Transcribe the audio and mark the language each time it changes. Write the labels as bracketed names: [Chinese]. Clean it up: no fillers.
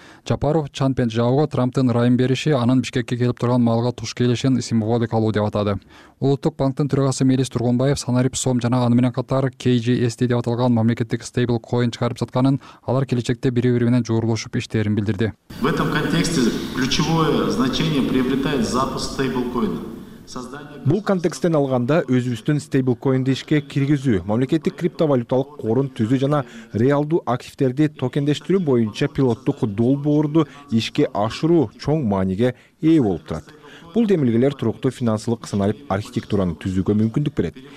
[Kyrgyz] Жапаров Чан пен Жауга Трамптын ырайын бериши анын Бишкекке келип турган малга туш келишин символик алуу деп атады. Улуттук банктын төрагасы Мелис Тургунбаев Санарип сом жана аны менен катар KGST деп аталган мамлекеттик стейбл коин чыгарып жатканын, алар келечекте бири-бири менен жоорулушуп иштерин билдирди. [Russian] В этом контексте ключевое значение приобретает запуск стейблкоина. [Kyrgyz] Бул контексттен алганда өзүбүздүн стейблкоинди ишке киргизүү, мамлекеттик криптовалюталык корун түзүү жана реалдуу активдерди токендештирүү боюнча пилоттук долбоорду ишке ашыруу чоң мааниге ээ болуп турат. Бул демилгелер туруктуу финансылык сценарий архитектураны түзүүгө мүмкүндүк берет.